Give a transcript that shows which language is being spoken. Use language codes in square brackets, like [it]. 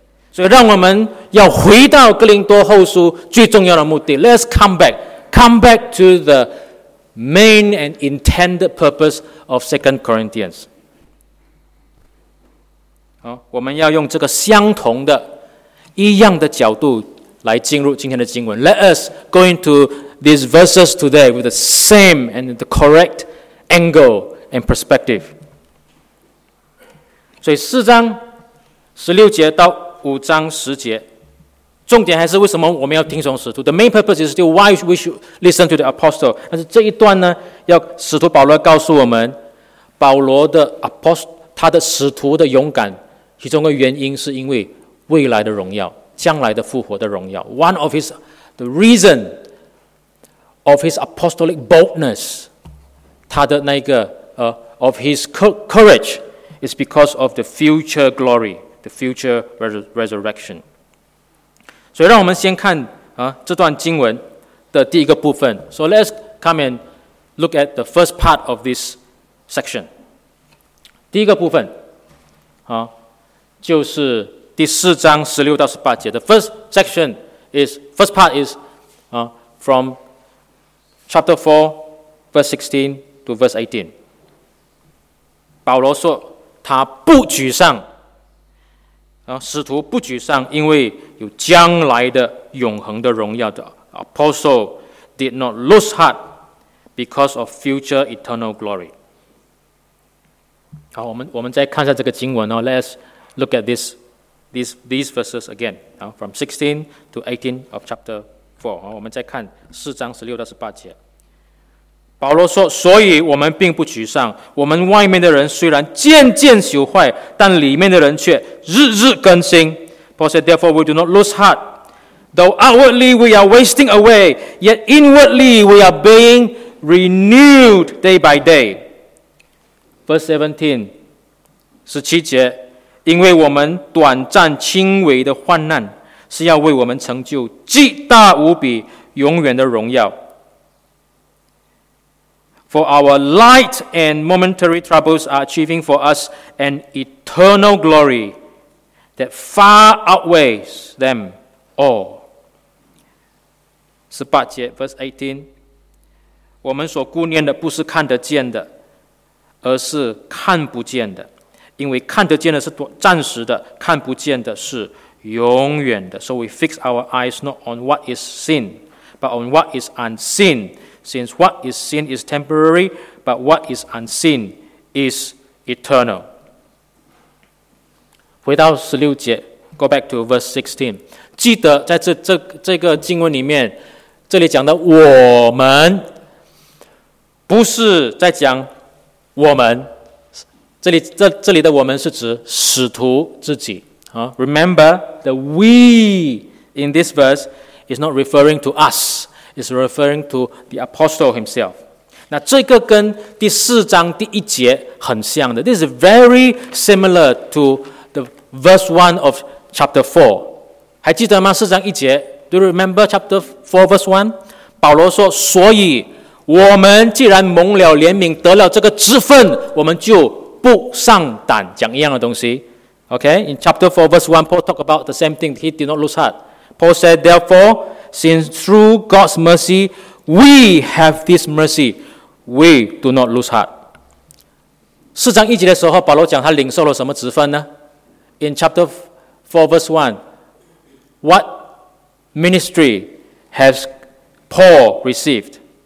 [zh] 所以让我们要回到哥林多后书最重要的目的。 [en] Let's come back to the main and intended purpose of 2 Corinthians. [zh] 我们要用这个相同的一样的角度来进入今天的经文。 [en] Let us go into these verses today with the same and the correct angle and perspective. [zh] 所以四章十六节到五章十节，重点还是为什么我们要听从使徒。 [en] The main purpose is still why we should listen to the apostle. [zh] 但是这一段呢，要使徒保罗告诉我们，保罗的 他的使徒的勇敢，其中的原因是因为未来的荣耀，将来的复活的荣耀。 [en] One of his, the reason of his apostolic boldness, [zh] 他的那个 [en] of his courage is because of the future glory, the future resurrection. [zh] 所以让我们先看这段经文的第一个部分。 [en] So let's come and look at the first part of this section. [zh] 第一个部分就是第四章十六到十八节。 [en] The first section is, first part is from chapter 4, verse 16 to verse 18. [zh] 保罗说他不沮丧，使徒不沮丧，因为有将来的永恒的荣耀。 [en] The apostle did not lose heart because of future eternal glory. [zh] 好，我们再看一下这个经文 [en] Let's look at these verses again, from 16 to 18 of chapter 4. [zh] 我们再看四章十六到十八节。保罗说，所以我们并不沮丧，我们外面的人虽然渐渐朽坏，但里面的人却日日更新。 [en] Paul said, therefore we do not lose heart, Though outwardly we are wasting away, yet inwardly we are being renewed day by day. Verse 17, [zh] 17节, 因为我们短暂轻微的患难, 是要为我们成就极大无比永远的荣耀。 [en] For our light and momentary troubles are achieving for us an eternal glory that far outweighs them all. [zh] 18节, [en] verse 18, [zh] 我们所顾念的不是看得见的, 而是看不见的, 因为看得见的是暂时的, 看不见的是永远的。 [en] So we fix our eyes not on what is seen, but on what is unseen, since what is seen is temporary, but what is unseen is eternal. [zh] 回到16节, [en] go back to verse 16. [zh] 记得在这个经文里面, 这里讲的我们, 不是在讲我们, 这里的我们是指使徒自己, [en] Remember, the we in this verse is not referring to us, it's referring to the apostle himself. [zh] 那这个跟第四章第一节很像的, [en] this is very similar to the verse 1 of chapter 4. [zh] 还记得吗? 四章一节, [en] do you remember chapter 4 verse 1? [zh] 保罗说, 所以我们既然蒙了怜悯得了这个职分, 我们就 不上胆讲一样的东西, okay? [en] In chapter 4, verse 1, Paul talked about the same thing. He did not lose heart. Paul said, therefore, since through God's mercy, we have this mercy, we do not lose heart. [zh] 4章1节的时候, 保罗讲他领受了什么职分呢? [en] In chapter 4, verse 1, what ministry has Paul received?